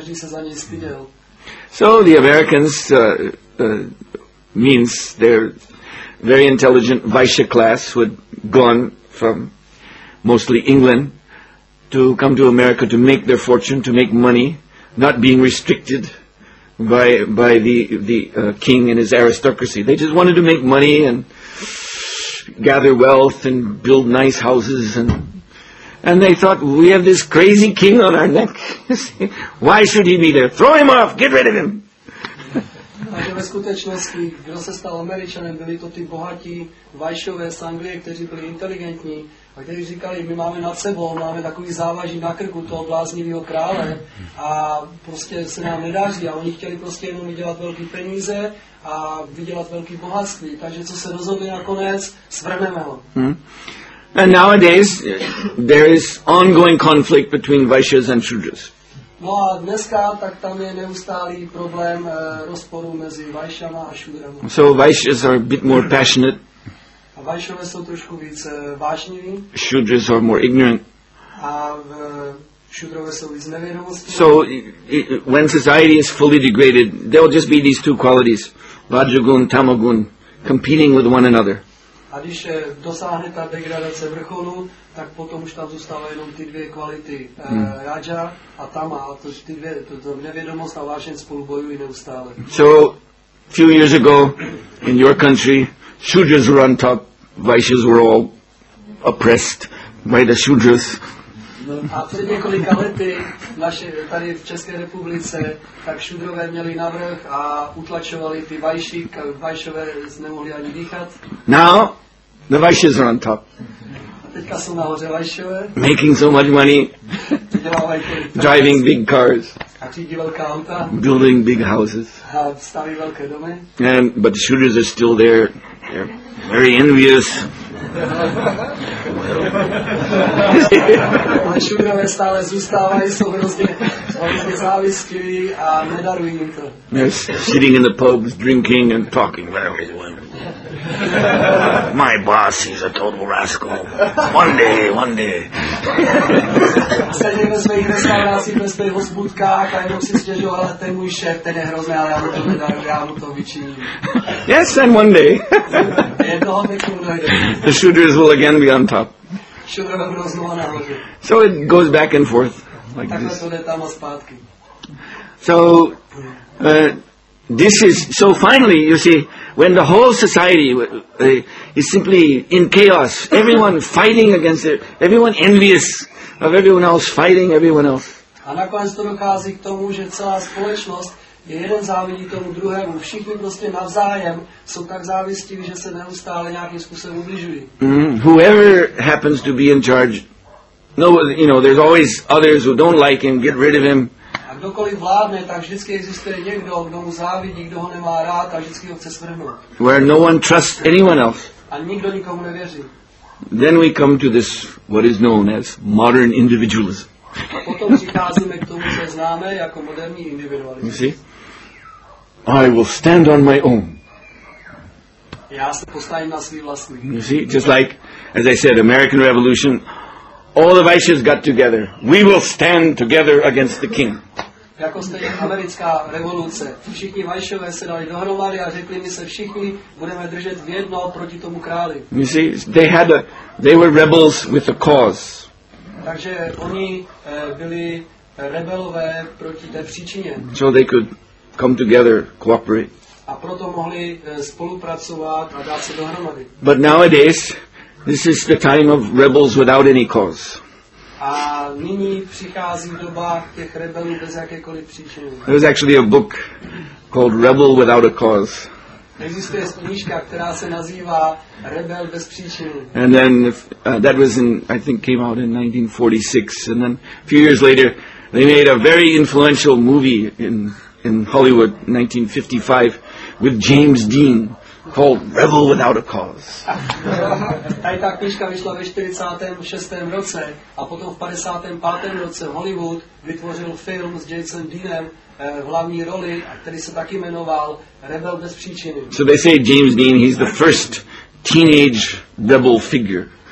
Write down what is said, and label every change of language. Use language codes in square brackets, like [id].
[en] So the Americans means they're very intelligent Vaishya class who had gone from mostly England to come to America to make their fortune, to make money, not being restricted by the king and his aristocracy. They just wanted to make money and gather wealth and build nice houses, and they thought, we have this crazy king on our neck. Why should he be there? Throw him off! Get rid of him! [cs] Takže ve skutečnosti, kdo se stal Američanem, byli to ty bohatí Vaishyové z Anglie, kteří byli inteligentní a kteří říkali, my máme nad sebou, máme takový závaží na krku toho bláznivého krále a prostě se nám nedaří a oni chtěli prostě jenom vydělat velký peníze a vydělat velký bohatství, takže co se rozhodli nakonec, svrhneme ho. [en] And nowadays there is ongoing conflict between Vaishyas and Shudras. [cs] No a dneska tak tam je neustálý problém rozporu mezi Vaishyama a Šudrama. [en] So Vaishyas are a bit more passionate. [cs] A Vaishyové jsou trošku víc vášniví. [en] Shudras are more ignorant. [cs] A Šudrové jsou víc nevědomosti. [en] So when society is fully degraded, there will just be these two qualities, Rajogun, Tamogun, competing with one another. [cs] A když se dosáhne ta degradace vrcholu, tak potom už tam zůstává jenom ty dvě kvality, Raja a Tama, a to ty dvě, to nevědomost a vášeň spolu bojují neustále. [en] So, few years ago, in your country, Shudras were on top, Vaishyas were all oppressed by the Shudras. [cs] No, a před několika lety, tady v České republice, tak Šudrové měli navrch a utlačovali ty Vaishyk, a Vaishyové nemohli ani dýchat. [en] Now, the Vaishyas are on top. [cs] Teďka jsou nahoře Vaishyové. [en] Making so much money. Driving big cars. [cs] A řídí velká auta. [en] Building big houses. [cs] A staví velké domy. [en] And, but the Shudras are still there. They're very envious. [cs] A Shudrové stále zůstávají, jsou hrozně závistiví a nedarují jim to. [en] They're sitting in the pubs, drinking and talking very well. My boss is a total rascal. One day. [cs] Sedíme ve svých restauracích, ve svých hospůdkách a jenom si stěžují, ale ten můj šéf, ten je hrozný, ale já mu to nedám, já mu to vyčiním. [en] Yes, and one day. [cs] Jednoho mi to dojde. [en] The Shudras will again be on top. [cs] Shudrava budou znovu nahoře. [en] So it goes back and forth. Like [cs] takhle to jde tam a zpátky. [en] So, this is, so finally, you see, when the whole society is simply in chaos, everyone fighting against it, everyone envious of everyone else, fighting everyone else. [cs] A nakonec to dochází k tomu, že celá společnost je jeden závidí tomu druhému. Všichni prostě navzájem jsou tak závistiví, že se neustále nějakým způsobem ubližují. [en] Whoever happens to be in charge, no, you know, there's always others who don't like him, get rid of him. [cs] A kdokoliv vládne, tak vždycky existuje někdo, kdo mu závidí, kdo ho nemá rád a vždycky ho chce svrhnout. [en] Where no one trusts anyone else. [cs] A nikdo nikomu nevěří. [en] Then we come to this, what is known as modern individualism. [cs] Potom přicházíme k tomu, co známe jako moderní individualism. [en] You see? I will stand on my own. [cs] Já se postavím na svý vlastní. [en] You see? Just like, as I said, American Revolution, all the vices got together. We will stand together against the king. [cs] Jako stejně americká revoluce. Všichni vajšové se dali dohromady a řekli, my se všichni budeme držet v jedno proti tomu králi. [en] You see, they were rebels with a cause. [cs] Takže oni byli rebelové proti té příčině. [en] So they could come together, cooperate. [cs] A proto mohli spolupracovat a dát se dohromady. [en] But nowadays, this is the time of rebels without any cause. [cs] A nyní přichází doba těch rebelů bez jakékoliv příčiny. [en] There's actually a book called Rebel Without a Cause. [cs] Existuje knížka, která se nazývá Rebel bez příčiny. [en] And then that was in, I think, came out in 1946. And then a few years later, they made a very influential movie in Hollywood, 1955, with James Dean. Called Rebel Without a Cause. [cs] Tady ta knížka vyšla ve 46. roce a potom v 55. roce Hollywood vytvořil film s Jamesem Deanem v hlavní roli, který se taky jmenoval Rebel bez příčiny. [en] So they say James Dean, he's the first teenage rebel figure.